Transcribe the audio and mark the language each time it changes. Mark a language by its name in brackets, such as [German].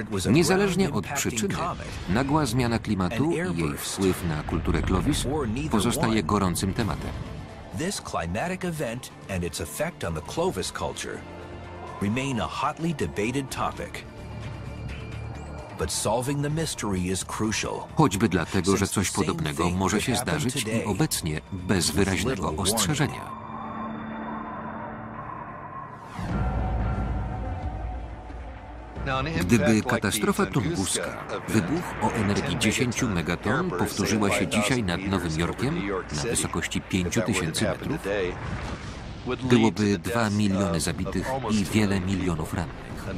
[Polish] Niezależnie od przyczyny, nagła zmiana klimatu i jej wpływ na kulturę Clovis pozostaje gorącym tematem. [English] This climatic event and its effect on the Clovis culture remain a hotly debated topic. But solving the mystery is crucial. [Polish] Choćby dlatego, że coś podobnego może się zdarzyć i obecnie bez wyraźnego ostrzeżenia. Gdyby katastrofa tunguska, wybuch o energii 10 megaton, powtórzyła się dzisiaj nad Nowym Jorkiem, na wysokości 5000 metrów, byłoby 2 miliony zabitych i wiele milionów rannych.